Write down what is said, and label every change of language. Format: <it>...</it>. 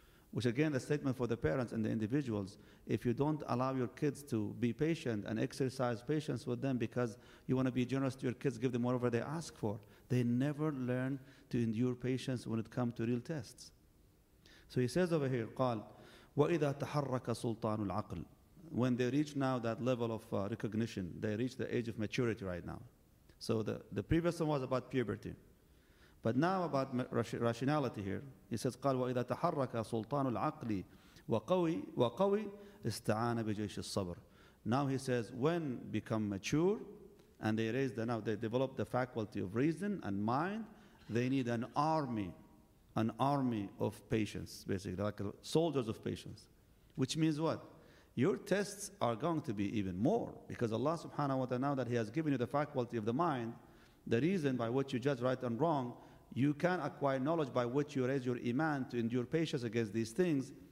<en>Which again, a statement for the parents and the individuals, if you don't allow your kids to be patient and exercise patience with them because you want to be generous to your kids, give them whatever they ask for, they never learn to endure patience when it comes to real tests. So he says over here,</en> <ar>قال وَإِذَا تَحَرَّكَ سُلْطَانُ الْعَقْلِ.</ar> <en>When they reach now that level of recognition, they reach the age of maturity right now. So the previous one was about puberty. But now about rationality here. He says,</en> <ar>قال وَإِذَا تَحَرَّكَ سُلْطَانُ الْعَقْلِ وَقَوِي اسْتَعَانَ بِجَيْشِ الصَّبْرِ.</ar> <en>Now he says, when become mature, and they raise the, now they develop the faculty of reason and mind, they need an army of patience, basically, like soldiers of patience. Which means what? Your tests are going to be even more, because Allah subhanahu wa ta'ala, now that he has given you the faculty of the mind, the reason by which you judge right and wrong, you can acquire knowledge by which you raise your iman to endure patience against these things.</en>